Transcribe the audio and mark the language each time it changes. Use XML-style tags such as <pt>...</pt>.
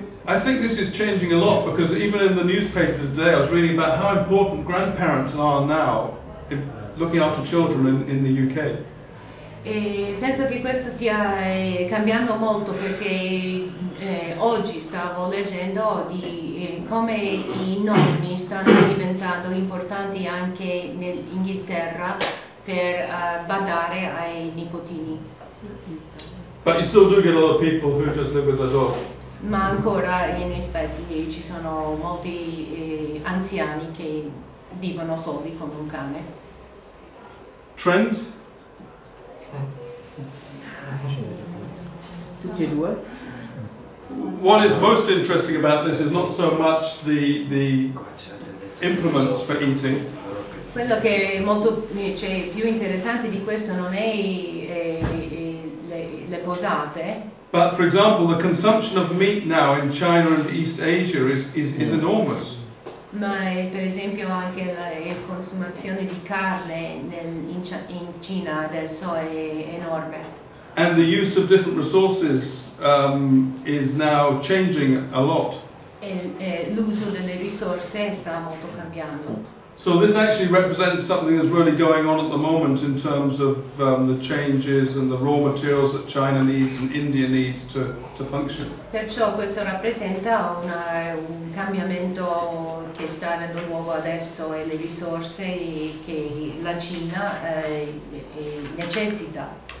<en>I think this is changing a lot, because even in the newspaper today I was reading about how important grandparents are now in looking after children in the UK.</en> <it>E penso che questo stia cambiando molto, perché oggi stavo leggendo di come i nonni stanno diventando importanti anche in Inghilterra per badare ai nipotini.</it> <en>But you still do get a lot of people who just live with their dog.</en> <it>Ma ancora in effetti ci sono molti anziani che vivono soli con un cane.</it> <en>Trends?</en> <it>Tutti e due?</it> <en>What is most interesting about this is not so much the implements for eating.</en> <it>Quello che è molto più interessante di questo non è le posate.</it> <en>But for example, the consumption of meat now in China and East Asia is enormous.</en> <it>Ma per esempio anche la consumazione di carne in Cina adesso è enorme.</it> <en>And the use of different resources is now changing a lot.</en> <it>L'uso delle risorse sta molto cambiando.</it> <en>So this actually represents something that's really going on at the moment in terms of the changes and the raw materials that China needs and India needs to function.</en> <it>Perciò questo rappresenta un cambiamento che sta avendo luogo adesso e le risorse che la Cina necessita.</it>